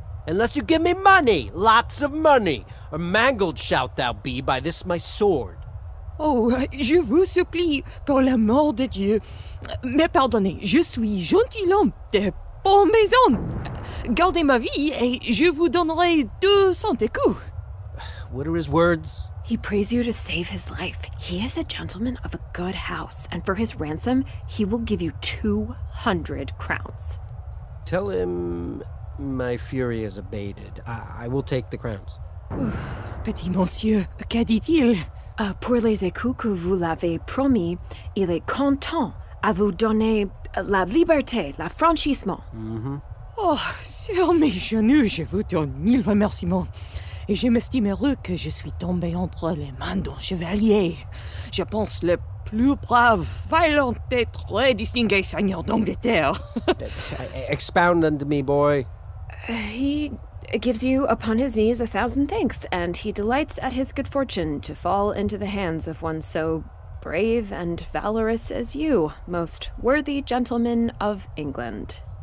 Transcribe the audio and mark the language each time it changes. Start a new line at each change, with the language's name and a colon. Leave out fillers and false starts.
English: Unless you give me money, lots of money, or mangled shalt thou be by this my sword.
French: Oh, je vous supplie, pour l'amour de Dieu, me pardonnez, je suis gentilhomme de bonne maison. Gardez ma vie et je vous donnerai 200 écus.
English: What are his words? He prays you to save his life. He is a gentleman of a good house, and for his ransom, he will give you 200 crowns. Tell him my fury is abated. I will take the crowns.
French: Petit monsieur, que dit-il? Pour les écus que vous l'avez promis, il est content à vous donner la liberté, l'affranchissement. Mm-hmm. Oh, sur mes genoux, je vous donne 1000 remerciements. Et je m'estime heureux que je suis tombé entre les mains d'un chevalier. Je pense le plus brave, violent et très distingué seigneur d'Angleterre.
English: Expound unto me, boy. He gives you upon his knees 1,000 thanks, and he delights at his good fortune to fall into the hands of one so brave and valorous as you, most worthy gentleman of England.